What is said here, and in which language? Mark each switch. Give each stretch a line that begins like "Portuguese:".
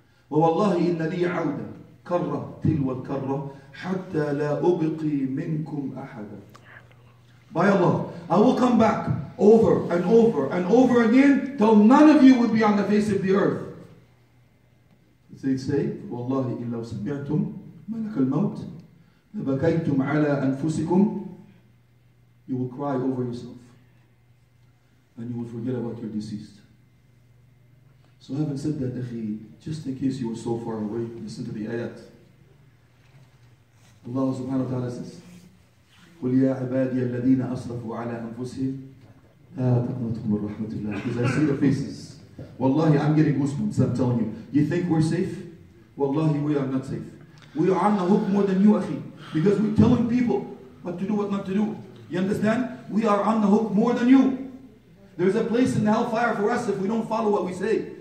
Arabic: وَوَاللَّهِ إِنَّ لِي عَوْدًا كَرَّةً تِلْوَ الْكَرَّةً حَتَّى لَا أُبِقِي مِنْكُمْ أَحَدًا.
English: By Allah, I will come back over and over and over again till none of you would be on the face of the earth.
Arabic: They say, وَاللَّهِ إِلَّا سَمِعْتُمْ مَلَكَ الْمَوْتِ لَبَكَيْتُمْ عَلَىٰ أَنفُسِكُمْ.
English: You will cry over yourself. And you will forget about your deceased. So having said that, akhi, just in case you were so far away, listen to the ayat. Allah subhanahu wa ta'ala says,
Arabic: قُلْ يَا عَبَادِيَ الَّذِينَ أَصْرَفُوا عَلَىٰ أَنفُسِهِمْ لَا تَقْنَطُوا مِنْ رَحْمَةِ اللَّهِ.
English: Because I see the faces. Wallahi, I'm getting goosebumps, I'm telling you. You think we're safe? Wallahi, we are not safe. We are on the hook more than you, akhi. Because we're telling people what to do, what not to do. You understand? We are on the hook more than you. There's a place in the hellfire for us if we don't follow what we say.